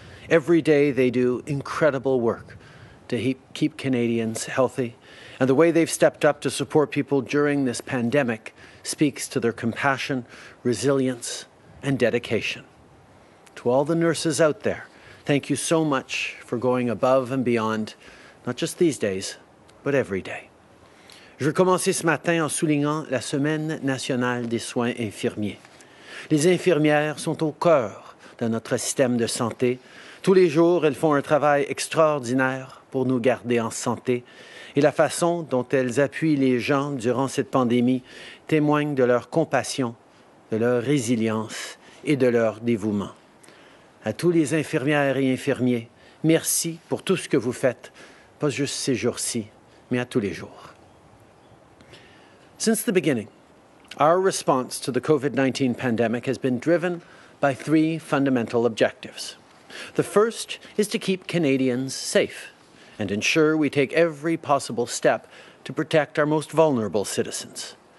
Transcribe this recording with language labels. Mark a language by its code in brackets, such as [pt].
[en] Every day they do incredible work to keep Canadians healthy, and the way they've stepped up to support people during this pandemic speaks to their compassion, resilience, and dedication. To all the nurses out there, thank you so much for going above and beyond, not just these days, but every day. [fr] Je vais commencer ce matin en soulignant la Semaine nationale des soins infirmiers. Les infirmières sont au cœur de notre système de santé. Tous les jours, elles font un travail extraordinaire pour nous garder en santé. Et la façon dont elles appuient les gens durant cette pandémie témoigne de leur compassion, de leur résilience et de leur dévouement. À tous les infirmières et infirmiers, merci pour tout ce que vous faites, pas juste ces jours-ci, mais à tous les jours. [en] Since the beginning, our response to the COVID-19 pandemic has been driven by three fundamental objectives. The first is to keep Canadians safe and ensure we take every possible step to protect our most vulnerable citizens.